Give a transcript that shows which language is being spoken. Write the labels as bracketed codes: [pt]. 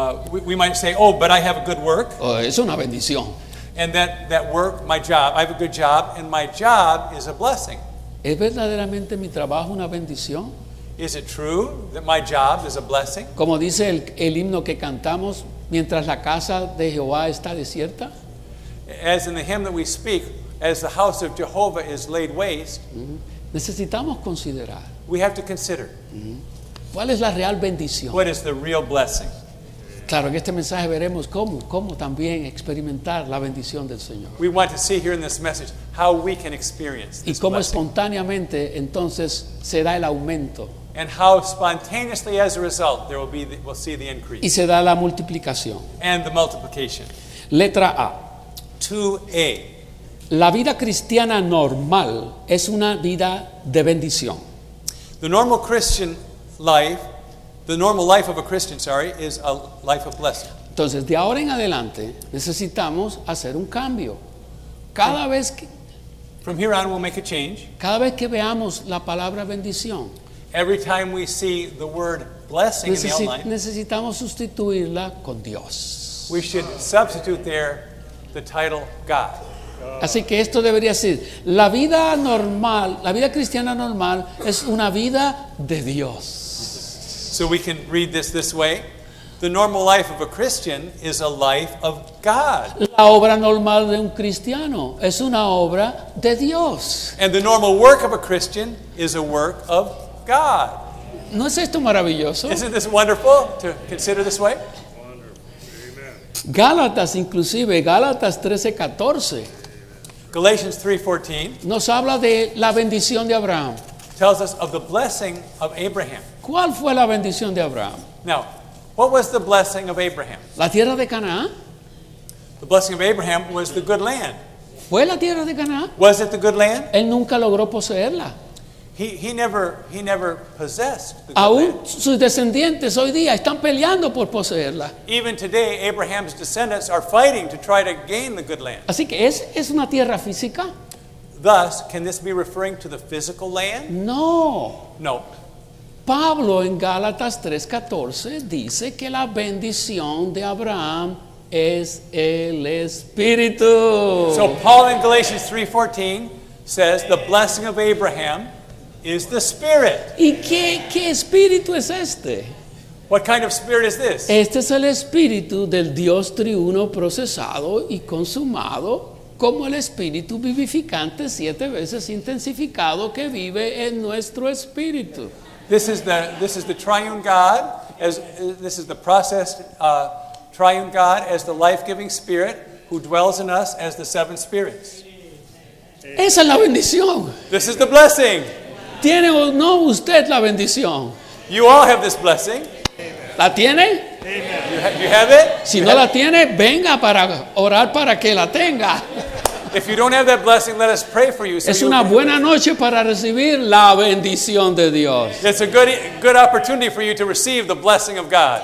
[en] We might say, oh, but I have a good work. [es] Es una bendición. [en] And that work, my job, I have a good job, and my job is a blessing. [es] ¿Es verdaderamente mi trabajo una bendición? [en] Is it true that my job is a blessing? [es] Como dice el himno que cantamos, mientras la casa de Jehová está desierta. [en] As in the hymn that we speak, as the house of Jehovah is laid waste, [es] necesitamos considerar. [en] We have to consider. [es] ¿Cuál es la real bendición? [en] What is the real blessing? [es] Claro, en este mensaje veremos cómo también experimentar la bendición del Señor. [en] We want to see here in this message how we can experience this [es] y cómo [en] blessing. [es] Espontáneamente entonces se da el aumento. [en] And how spontaneously as a result there will be the, we'll see the increase. [es] Y se da la multiplicación. [en] And the multiplication. [es] Letra A. [en] 2A. [es] La vida cristiana normal es una vida de bendición. [en] The normal Christian life, the normal life of a Christian, sorry, is a life of blessing. [es] Entonces, de ahora en adelante, necesitamos hacer un cambio. Cada vez que, [en] from here on, we'll make a change. [es] Cada vez que veamos la palabra bendición, [en] every time we see the word blessing in the outline, [es] necesitamos sustituirla con Dios. [en] We should substitute there the title God. [es] Así que esto debería ser la vida normal, la vida cristiana normal es una vida de Dios. [en] So we can read this way. The normal life of a Christian is a life of God. [es] La obra normal de un cristiano es una obra de Dios. [en] And the normal work of a Christian is a work of God. [es] ¿No es esto maravilloso? [en] Isn't this wonderful to consider this way? [es] Amen. Gálatas, inclusive, Gálatas 13:14. [en] Galatians 3:14 [es] nos habla de la bendición de Abraham. [en] Tells us of the blessing of Abraham. [es] ¿Cuál fue la bendición de Abraham? [en] Now, what was the blessing of Abraham? [es] La tierra de Canaán. [en] The blessing of Abraham was the good land. [es] ¿Fue la tierra de Canaán? [en] Was it the good land? [es] Él nunca logró poseerla. [en] He never possessed the good [es] aún [en] land. [es] Sus descendientes hoy día están peleando por poseerla. [en] Even today, Abraham's descendants are fighting to try to gain the good land. [es] Así que es una tierra física. [en] Thus, can this be referring to the physical land? [es] No. [en] No. [es] Pablo en Gálatas 3:14 dice que la bendición de Abraham es el Espíritu. [en] So Paul in Galatians 3:14 says the blessing of Abraham is the Spirit. [es] ¿Y qué espíritu es este? [en] What kind of spirit is this? [es] Este es el espíritu del Dios triuno procesado y consumado como el espíritu vivificante siete veces intensificado que vive en nuestro espíritu. [en] This is the triune God as this is the processed triune God as the life-giving spirit who dwells in us as the seven spirits. [es] Esa es la bendición. [en] This is the blessing. [es] ¿Tiene o no usted la bendición? [en] You all have this blessing. [es] ¿La tiene? [en] You have it? [es] Si no la tiene, venga para orar para que la tenga. [en] If you don't have that blessing, let us pray for you. [es] Es una buena noche para recibir la bendición de Dios. [en] It's a good opportunity for you to receive the blessing of God.